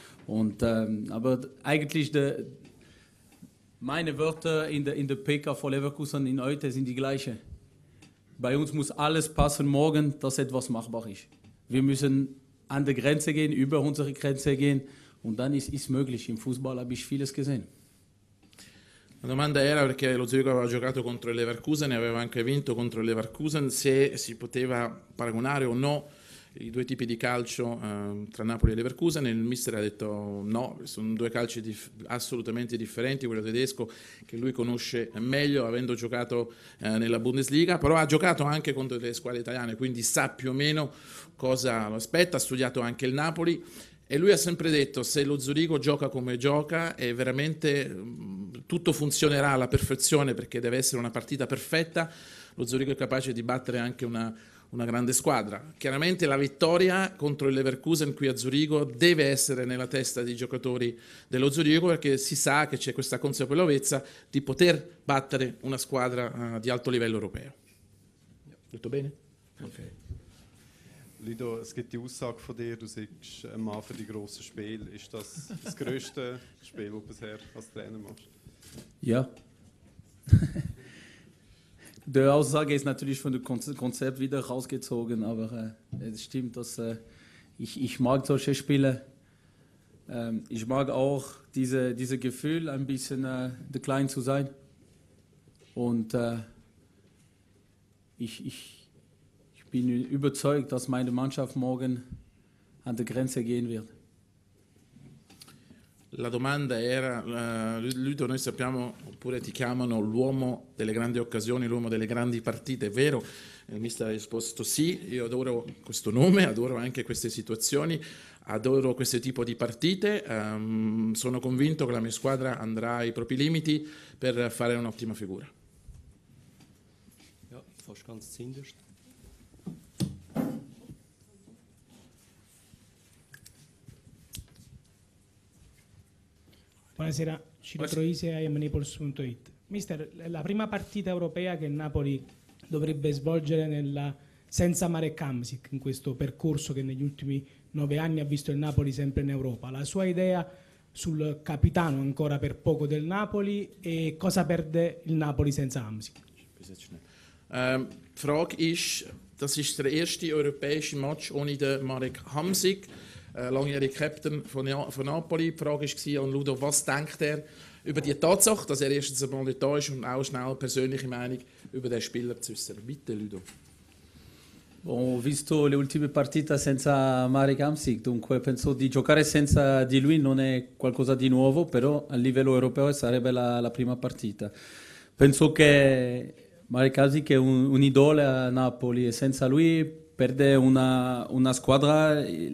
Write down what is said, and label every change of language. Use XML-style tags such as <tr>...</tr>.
<de>Und aber eigentlich meine Wörter in der PK vor Leverkusen in heute sind die gleiche. Bei uns muss alles passen morgen, dass etwas machbar ist. Wir müssen an der Grenze gehen, über unsere Grenze gehen und dann ist möglich. Im Fußball habe ich vieles gesehen.</de> <it>La domanda era perché lo Zurigo aveva giocato contro il Leverkusen e aveva anche vinto contro il Leverkusen, se si poteva paragonare o no i due tipi di calcio tra Napoli e Leverkusen. Il mister ha detto no, sono due calci assolutamente differenti, quello tedesco che lui conosce meglio avendo giocato nella Bundesliga, però ha giocato anche contro delle squadre italiane, quindi sa più o meno cosa lo aspetta, ha studiato anche il Napoli e lui ha sempre detto se lo Zurigo gioca come gioca è veramente tutto funzionerà alla perfezione perché deve essere una partita perfetta, lo Zurigo è capace di battere anche una grande squadra. Chiaramente la vittoria contro il Leverkusen qui a Zurigo deve essere nella testa dei giocatori dello Zurigo perché si sa che c'è questa consapevolezza di poter battere una squadra di alto livello europeo. Tutto bene? Ok.</it> <de>Lido, es gibt die Aussage von dir, du sagst ein Mann für die grossen Spiele. Ist das das größte Spiel, das du bisher als Trainer machst? Ja. Die Aussage ist natürlich von dem Konzept wieder rausgezogen, aber es stimmt, dass ich mag solche Spiele. Ich mag auch diese Gefühl, ein bisschen der Kleine zu sein. Und ich, ich, bin überzeugt, dass meine Mannschaft morgen an der Grenze gehen wird.</de> <it>La domanda era, Ludo, noi sappiamo, oppure ti chiamano l'uomo delle grandi occasioni, l'uomo delle grandi partite, è vero? Il mister ha risposto sì, io adoro questo nome, adoro anche queste situazioni, adoro questo tipo di partite, sono convinto che la mia squadra andrà ai propri limiti per fare un'ottima figura.</it> <de>Ja, fast ganz zinders.</de> <it>Buonasera, Ciro Troise, imnaples.it. Mister, la prima partita europea che il Napoli dovrebbe svolgere nella, senza Marek Hamsik, in questo percorso che negli ultimi 9 anni ha visto il Napoli sempre in Europa. La sua idea sul capitano ancora per poco del Napoli e cosa perde il Napoli senza Hamsik?</it> <de>Frage ist, das ist der erste europäische Match ohne den Marek Hamsik. Langjährige Captain von Napoli. Die Frage war an Ludo, was denkt er über die Tatsache, dass er erstens einmal nicht da ist und auch schnell persönliche Meinung über den Spieler zu äußern. Bitte, Ludo.</de> <it>Ho visto le ultime partite senza Marek Hamsik, dunque penso di giocare senza di lui non è qualcosa di nuovo, però a livello europeo sarebbe la prima partita. Penso che Marek Hamsik è un idolo a Napoli e senza lui perde una squadra...</it>